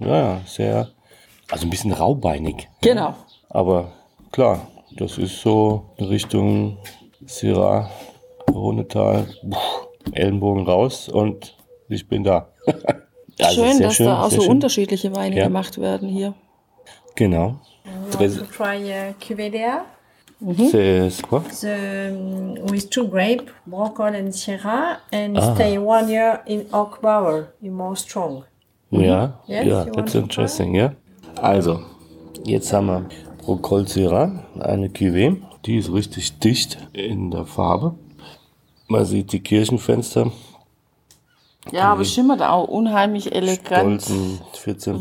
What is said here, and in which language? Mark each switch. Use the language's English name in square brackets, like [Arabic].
[German] Ja, sehr. Also ein bisschen raubeinig. Genau. Ja. Aber klar, das ist so Richtung Syrah, Rhonetal, Ellenbogen raus und ich bin da. Ja, schön, dass schön, da auch so schön. Unterschiedliche Weine ja. gemacht werden hier. Genau. [English] With two grape, Brocol and Syrah, and stay 1 year in oak barrel, more strong. Ja, yes, ja, that's interesting, ja. Yeah? [German] Also, jetzt haben wir Brocol Syrah, eine Cuvée, die ist richtig dicht in der Farbe. Man sieht die Kirchenfenster. Ja, die aber schimmert auch unheimlich elegant. Stolzen 14%